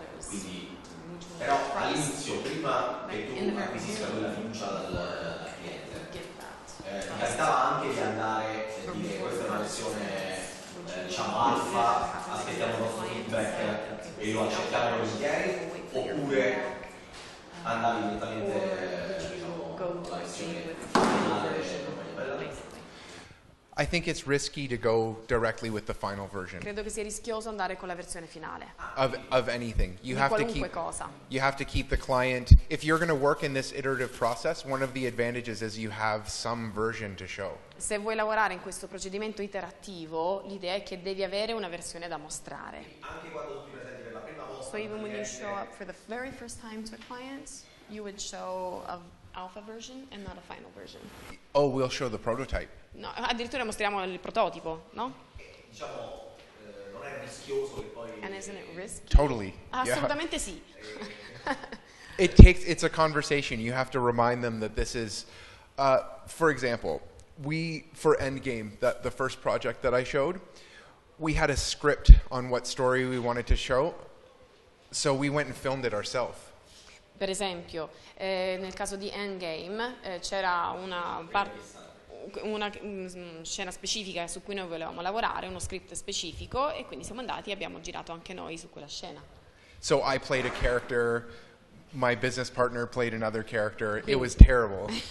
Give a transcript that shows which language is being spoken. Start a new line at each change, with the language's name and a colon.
Italian: Quindi però all'inizio, prima che tu acquisisca quella fiducia dal cliente, ti capitava anche di andare a dire questa è una versione diciamo alfa, aspettiamo il nostro feedback e lo accettiamo volentieri, oppure andare direttamente alla versione finale?
English: I think it's risky to go directly with the final version.
Italian: Credo che sia rischioso andare con la versione finale.
English: Of anything. You
Italian: di
English: have
Italian: qualunque
English: to keep,
Italian: cosa.
English: You have to keep the client. If you're going to work in this iterative process, one of the advantages is you have some version to show.
Italian: Se vuoi lavorare in questo procedimento iterativo, l'idea è che devi avere una versione da mostrare. Anche quando ti presenti per la prima volta.
English: So even when you show up for the very first time to a client, you would show a alpha version and not a final version. Oh, we'll show the prototype.
Italian: No, addirittura mostriamo il prototipo, no? Diciamo, non è rischioso che poi.
English: And isn't it risky? Totally.
Italian: Assolutamente
English: yeah.
Italian: Sì.
English: It's a conversation. You have to remind them that this is, for example, for Endgame, the first project that I showed, we had a script on what story we wanted to show, so we went and filmed it ourselves.
Italian: Per esempio, nel caso di Endgame c'era una scena specifica su cui noi volevamo lavorare, uno script specifico, e quindi siamo andati e abbiamo girato anche noi su quella scena.
English: So I played a character, my business partner played another character, quindi, it was terrible.